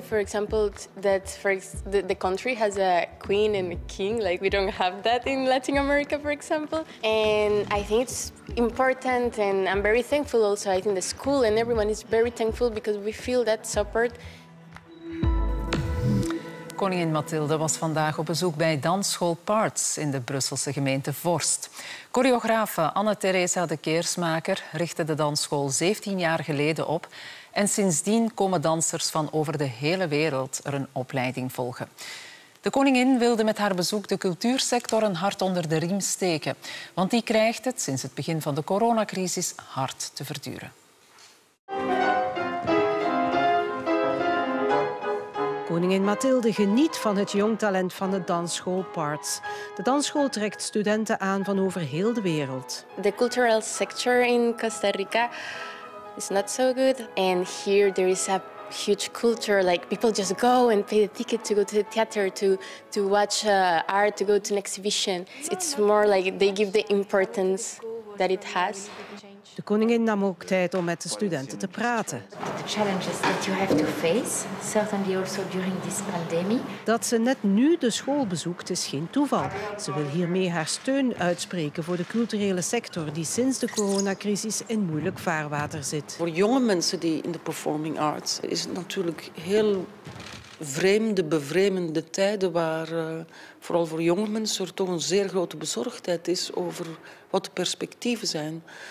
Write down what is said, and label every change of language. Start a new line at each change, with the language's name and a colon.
English: For example, that the country has a queen and a king. Like, we don't have that in Latin America, for example. And I think it's important and I'm very thankful also. I think the school and everyone is very thankful because we feel that support.
Dutch: Koningin Mathilde was vandaag op bezoek bij dansschool Parts in de Brusselse gemeente Vorst. Choreografe Anne-Theresa de Keersmaker richtte de dansschool 17 jaar geleden op. En sindsdien komen dansers van over de hele wereld er een opleiding volgen. De koningin wilde met haar bezoek de cultuursector een hart onder de riem steken. Want die krijgt het sinds het begin van de coronacrisis hard te verduren. Koningin Mathilde geniet van het jong talent van de dansschool Parts. De dansschool trekt studenten aan van over heel de wereld.
English: The cultural sector in Costa Rica is not so good. And here there is a huge culture. Like, people just go and pay the ticket to go to the theater, to watch art, to go to an exhibition. It's more like they give the importance that it has.
Dutch: De koningin nam ook tijd om met de studenten te praten.
English: The challenges that you have to face, certainly also during this pandemic.
Dutch: Dat ze net nu de school bezoekt, is geen toeval. Ze wil hiermee haar steun uitspreken voor de culturele sector die sinds de coronacrisis in moeilijk vaarwater zit. Voor jonge mensen die in de performing arts is het natuurlijk heel vreemde, bevreemde tijden waar vooral voor jonge mensen er toch een zeer grote bezorgdheid is over wat de perspectieven zijn.